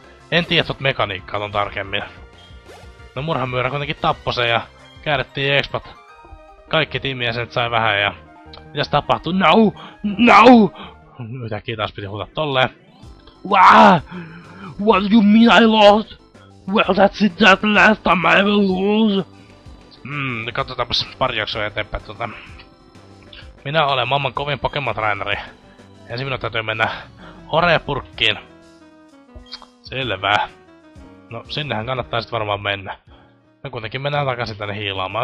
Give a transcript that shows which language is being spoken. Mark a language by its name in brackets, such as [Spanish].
[Finnish] En tiedä tot mekaniikkaa ton tarkemmin. No murhamyyrä kuitenkin tappoi sen ja käärittiin expat. Kaikki tiimiä sen sai vähän ja... Mitäs tapahtui? Nau! Nau! Yhtäkkiä taas piti huutaa tolleen. [English] Waaah! What you mean I lost? Well, that's it, that's the last time I will lose. [Finnish] Katsotaanpas pari jaksoa eteenpäin tuota. Minä olen maailman kovin Pokemon-traineri. Ensin minun täytyy mennä Horepurkkiin. Selvä. No, sinnehän kannattaa sit varmaan mennä. Me kuitenkin mennään takaisin tänne hiilaamaan.